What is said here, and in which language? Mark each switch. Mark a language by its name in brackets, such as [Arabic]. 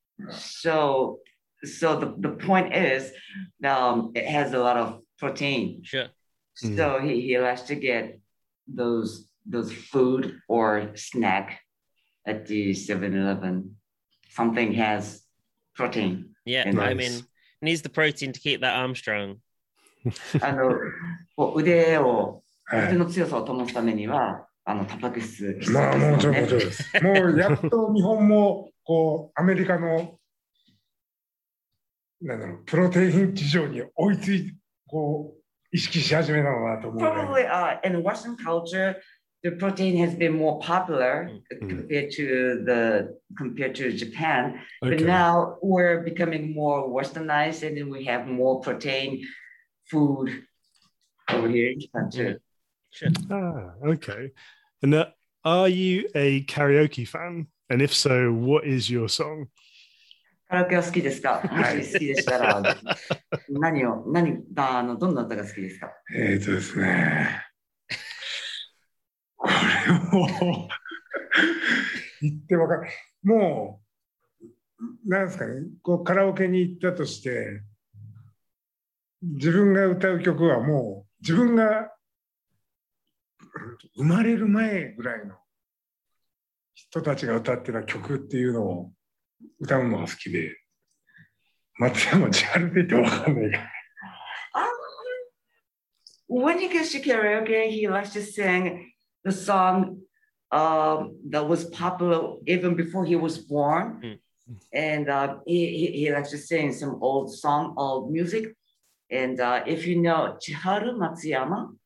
[English] So the point is, it has a lot of protein. Sure. So he likes to get those food or snack at the 7-Eleven. Something has protein. Yeah, nice. I mean... Needs the protein to keep that arm strong. [Japanese] 腕を腕の強さを保つためには、タンパク質必要ですね。まあ、もちろんもちろんです。もうやっと日本もこうアメリカのなんだろうプロテイン市場に追いついてこう意識し始めたのかなと思う。 [English] Probably, in Western culture, the protein has been more popular compared to Japan, okay. But now we're becoming more westernized and then we have more protein food over here in Japan too. Sure. Okay. And are you a karaoke fan? And if so, what is your song? [Japanese] Karaoke は好きですか？もし好きでしたら、どんな歌が好きですか？ですね。これも言ってわかる。もう、なんですかね、こうカラオケに行ったとして、自分が歌う曲はもう、自分が生まれる前ぐらいの人たちが歌ってた曲っていうのを歌うのが好きで、松山千春って言ってわかんないから。 [English] When he goes to karaoke, he likes to sing.The song that was popular even before he was born. And he likes to sing some old song, old music. And if you know Chiharu Matsuyama,